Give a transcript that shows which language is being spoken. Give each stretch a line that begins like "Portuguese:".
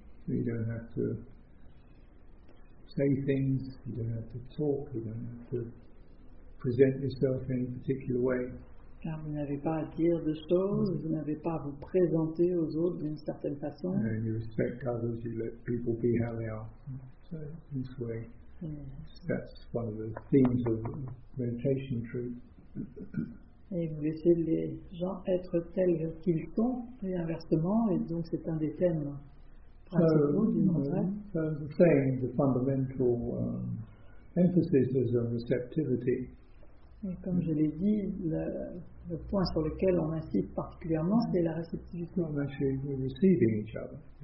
English: So you don't have to say things, you don't have to talk, you don't have to present yourself in any particular way.
French: Car vous n'avez pas à dire de choses, vous n'avez pas à vous présenter aux autres d'une certaine façon.
English: And you respect others, you let people be how they are. So this way, that's one of the themes of meditation truth.
French: Et vous laissez les gens être tels qu'ils sont, et inversement, et donc c'est un des thèmes principaux d'une retraite.
English: So the thing, the fundamental emphasis is on receptivity.
French: Et comme je l'ai dit, le point sur lequel on insiste particulièrement, c'est la réceptivité.
English: Well, actually, we're receiving each other.